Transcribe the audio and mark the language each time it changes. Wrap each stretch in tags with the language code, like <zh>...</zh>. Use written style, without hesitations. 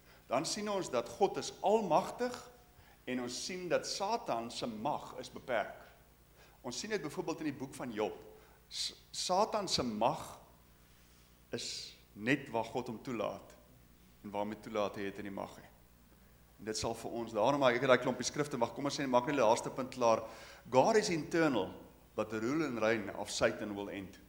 <af>Dan sien ons dat God is almagtig en ons sien dat Satan se mag is beperk. Ons sien dit byvoorbeeld in die boek van Job. Satan se mag is net waar God hom toelaat en waar hom hy toelaat het in die mag. En dit sal vir ons, daarom ek het daai klompie skrifte, maar kom ons sê, maak net die laaste punt klaar.</af> <en>God is internal, but the rule and reign of Satan will end.</en>